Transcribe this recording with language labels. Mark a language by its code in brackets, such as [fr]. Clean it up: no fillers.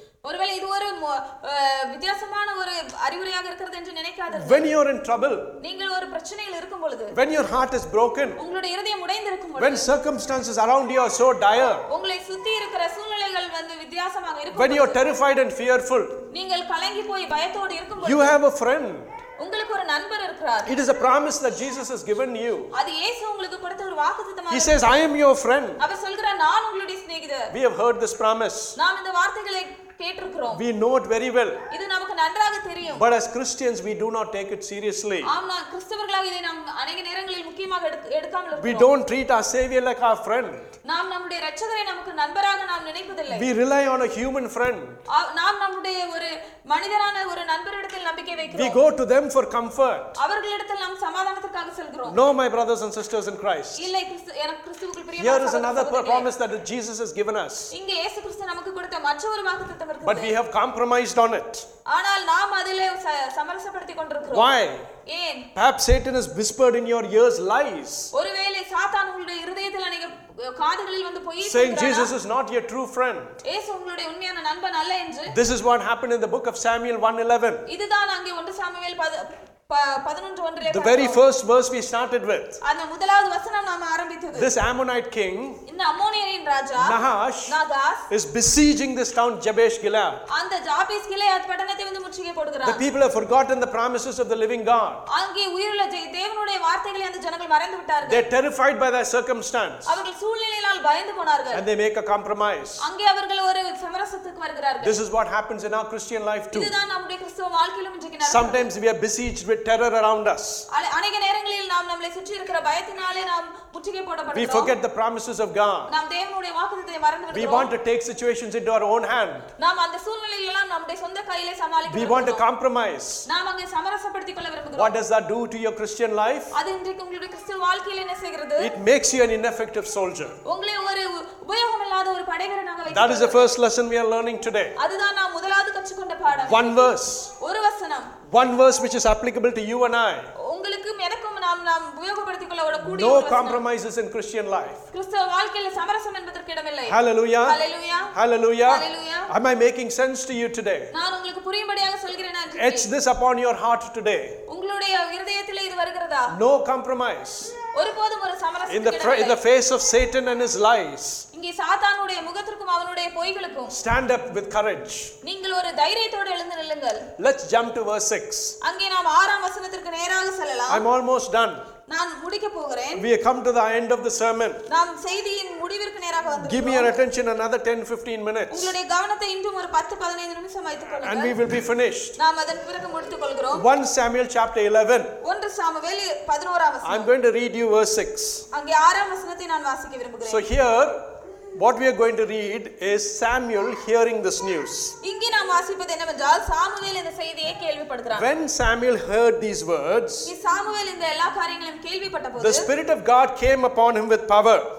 [ta] ஒருவேளை இது ஒரு வித்தியாசமான ஒரு அறிவுரையாக இருக்கிறது என்று நினைக்காதீர்கள் [en] When you are in trouble [ta] நீங்கள் ஒரு பிரச்சனையில் இருக்கும் பொழுது [en] When your heart is broken [ta] உங்களுடைய இதயம் உடைந்திருக்கும் பொழுது [en] When circumstances around you are so dire [ta] உங்களை சுத்தி இருக்கிற சூழ்நிலைகள் வந்து வித்தியாசமாக இருக்கும் [en] When you are terrified and fearful [ta] நீங்கள் கலங்கி போய் பயத்தோடு இருக்கும் பொழுது [en] You have a friend [ta] உங்களுக்கு ஒரு நண்பர் இருக்கிறார் [en] It is a promise that Jesus has given you [ta] அது இயேசு உங்களுக்கு கொடுத்த ஒரு வாக்குத்தத்தமாக [en] He says I am your friend [ta] அவர் சொல்கிறார் நான் உங்களுடைய சிநேகிதர் [en] We have heard this promise [ta] நாம் இந்த வார்த்தைகளை [en] We know it very well. [ta] இது நமக்கு நன்றாக தெரியும். [en] But as Christians we do not take it seriously. [ta] ஆனால் கிறிஸ்தவர்களாக இதை நாம் अनेक நேரங்களில் முக்கியமாக எடுக்காமல் இருக்கிறோம். [en] We don't treat our savior like our friend. [ta] நாம் நம்முடைய இரட்சகரை நமக்கு நண்பராக நாம் நினைப்பதில்லை. [en] We rely on a human friend. [ta] நாம் நம்முடைய ஒரு மனிதரான ஒரு நண்பரிடத்தில் நம்பிக்கை வைக்கிறோம். [en] We go to them for comfort. [ta] அவர்களிடத்தில் நாம் சமாதானத்துக்காக செல்கிறோம். [en] No my brothers and sisters in Christ. [ta] இல்லை கிறிஸ்துவுக்குள் பிரியமானவர்களே. [en] Here is another promise that Jesus has given us. [ta] இங்கே இயேசு கிறிஸ்து நமக்கு கொடுத்த மற்றொரு வாக்குத்தத்தம் இருக்கு. [en] But we have compromised on it. [ta] ஆனால் நாம் அதிலே சமரசப்படுத்திக் கொண்டிருக்கிறோம். [en] Why? [ta] ஏன்? [en] Perhaps Satan has whispered in your ears lies. [ta] ஒருவேளை சாத்தான் உங்களுடைய இதயத்தில் அநேக காதுகளில் வந்து பொய் சொல்றாரா? [en] Saying Jesus is not your true friend. [ta] இயேசு உங்களுடைய உண்மையான நண்பன் அல்ல என்று. [en] This is what happened in the book of Samuel 1:11. [ta] இதுதான் அங்கே 1 Samuel 11:1 [en] The very first verse we started with. [ta] அந்த முதலாவது வசனம் நாம் ஆரம்பித்தது. [en] This Ammonite king [ta] இந்த அம்மோனியரின் ராஜா [en] Nahash Nagash is besieging this town Jabesh Gilead. [ta] அந்த ஜாபேஷ் கிலேயாத் பட்டணத்தை வந்து முற்றுகை போடுகிறார். [en] The people have forgotten the promises of the living God. [ta] அங்கே உயிருள்ள தேவனுடைய வார்த்தைகளை அந்த ஜனங்கள் மறந்து விட்டார்கள். [en] They are terrified by their circumstance. [ta] அவர்கள் சூழ்நிலையால் பயந்து போனார்கள். [en] And they make a compromise. [ta] அங்கே அவர்கள் ஒரு சமரசத்துக்கு வருகிறார்கள். [en] This is what happens in our Christian life too. [ta] இதுதான் நம்முடைய கிறிஸ்தவ வாழ்க்கையிலும் நடக்கிறது. [en] Sometimes we are besieged with terror around us. [ta] அநேக நேரங்களில் நாம் நம்மளை சுற்றி இருக்கிற பயத்தினாலே நாம் முற்றுகை போடப்படுகிறோம். [en] We forget the promises of God. [ta] நாம் தேவனுடைய வாக்குத்தத்தை மறந்து [en] We want to take situations into our own hand. [ta] நாம் அந்த சூழ்நிலையெல்லாம் நம்முடைய சொந்த கையிலே சமாளிக்க [en] We want to compromise. [ta] நாம் அங்கே சமரசப்படுத்திக் கொள்ள விரும்புகிறோம். [en] What does that do to your Christian life? [ta] அது இன்றைக்கு உங்களுடைய கிறிஸ்தவ வாழ்க்கையில என்ன செய்கிறது? [en] It makes you an ineffective soldier. [ta] உங்களை ஒரு உபயோகமில்லாத ஒரு படைவீரனாக வைக்கிறது. [en] That is the first lesson we are learning today. [ta] அதுதான் நாம் முதலாவது கற்றுக்கொண்ட பாடம். [en] One verse. [ta] ஒரு வசனம். [en] One verse which is applicable to you and I. [ta] உங்களுக்கும் எனக்கும் நாம் உபயோகப்படுத்திக்கொள்ள ஒரு கூடிய [en] No compromises in Christian life. [ta] கிறிஸ்தவ வாழ்க்கையில் சமரசம் என்பதற்கு இடமில்லை. Hallelujah. Hallelujah. Hallelujah. Hallelujah. [en] Am I making sense to you today? [ta] நான் உங்களுக்கு புரியும்படியாக சொல்கிறேனா இன்று? [en] Etch this upon your heart today. [ta] உங்களுடைய இதயத்திலே இது வருகிறதா? [en] No compromise. [ta] ஒருபோதும் ஒரு சமரசம் இல்லை. [en] In the face of Satan and his lies. [ta] இங்கே சாத்தானுடைய முகத்திற்கும் அவனுடைய பொய்களுக்கும் [en] Stand up with courage. [ta] நீங்கள் ஒரு தைரியத்தோடு எழுந்து நில்லுங்கள். [en] Let's jump to verse 6. [ta] அங்கே நாம் 6 வசனத்திற்கு நேராக செல்லலாம். [en] I'm almost done. [ta] நான் முடிக்க போகிறேன். [en] We have come to the end of the sermon. [ta] நாம் செய்தியின் முடிவிற்கு நேரா [en] Give me your attention another 10-15 minutes. [ta] உங்களுடைய கவனத்தை இன்னும் ஒரு 10-15 நிமிஷம் வைத்துக் கொள்ளுங்க. [en] And we will be finished. [ta] நாம் அதன் பிறகு முடித்துக் கொள்கிறோம். [en] 1 Samuel chapter 11. [ta] 1 சாமுவேல் 11வது வசனம். [en] I'm going to read you verse 6. [ta] அங்கே 6வது வசனத்தை நான் வாசிக்க விரும்புகிறேன். [en] So here what we are going to read is Samuel hearing this news. [ta] இங்க நாம் வாசிப்பது என்னவென்றால் சாமுவேல் இந்த செய்தியை கேள்விப்படுகிறான். [en] When Samuel heard these words, [ta] Samuel இந்த எல்லா காரியங்களையும் கேள்விப்பட்டபோது, [en] the spirit of God came upon him with power.